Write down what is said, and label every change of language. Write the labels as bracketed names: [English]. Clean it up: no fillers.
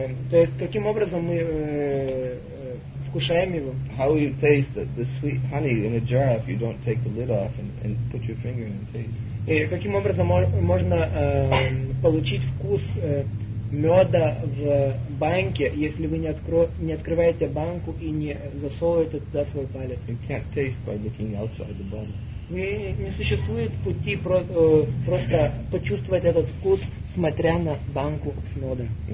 [Russian] То есть каким образом мы вкушаем его? [English] How will you taste the sweet honey in a jar if you don't take the lid off and put your finger in and taste? [Russian] И каким образом можно получить вкус меда в банке, если вы не открываете банку и не засовываете туда свой палец? [English] You can't taste by looking outside the bottle. [Russian] Не существует пути просто почувствовать этот вкус, смотря на банку с медом.